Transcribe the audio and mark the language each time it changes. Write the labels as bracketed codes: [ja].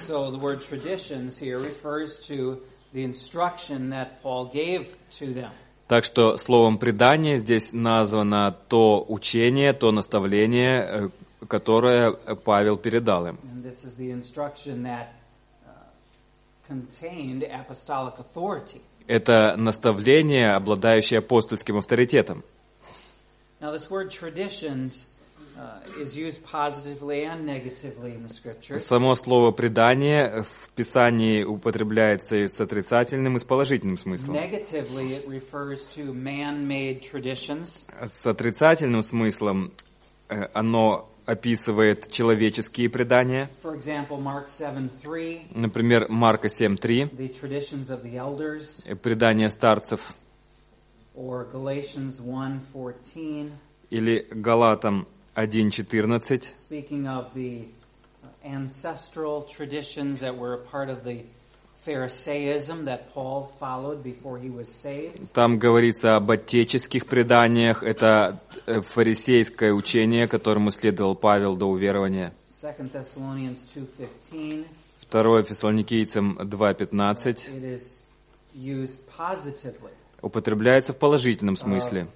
[en] So the word traditions here refers to the instruction that Paul gave to them. [ru] Так что словом предание здесь названо то учение, то наставление, которое Павел передал им. [en] And this is the instruction that contained apostolic authority. [ru] Это наставление, обладающее апостольским авторитетом. [en] Now this word traditions is used positively and negatively in the scriptures. [ru] Само слово предание в Писании употребляется и с отрицательным, и с положительным смыслом. [en] Negatively it refers to man-made traditions. [ru] С отрицательным смыслом оно описывает человеческие предания. [en] For example, Mark 7:3. [ru] Например, Марка 7:3. [en] The traditions of the elders. [ru] Предания старцев. [en] Or Galatians 1:14. [ru] Или Галатам 1:14. [en] Speaking of the ancestral traditions that were a part of the Pharisaism that Paul followed before he was saved. [ru] Там говорится об отеческих преданиях. Это фарисейское учение, которому следовал Павел до уверования. [en] 2 Thessalonians 2:15. [ru] 2 Фессалоникийцам 2:15. [en] It is used positively. [ru] Употребляется в положительном смысле.